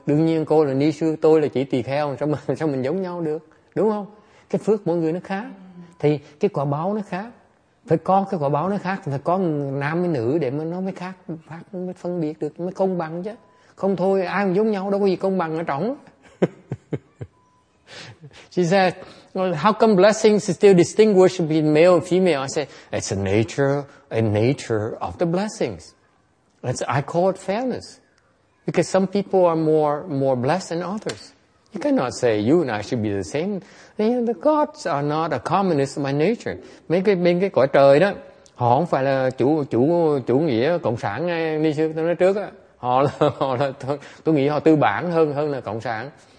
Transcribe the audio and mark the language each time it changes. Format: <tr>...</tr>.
<vi>Đương nhiên cô là ni sư, tôi là chỉ tỳ kheo, sao mình giống nhau được? Đúng không? Cái phước mỗi người nó khác, thì cái quả báo nó khác. Phải có cái quả báo nó khác, phải có nam với nữ để mà nó mới khác, mới phân biệt được, mới công bằng chứ. Không thôi ai cũng giống nhau, đâu có gì công bằng ở trong.</vi> <en>She said, well, how come blessings still distinguish between male and female? I said, it's a nature of the blessings. That's, I call it fairness. Because some people are more blessed than others. You cannot say you and I should be the same. The gods are not a communist by nature.</en> <vi>Mấy cái cõi trời đó, họ không phải là chủ nghĩa cộng sản ngay đi xưa tôi nói trước á. Họ là tôi nghĩ họ tư bản hơn là cộng sản.</vi>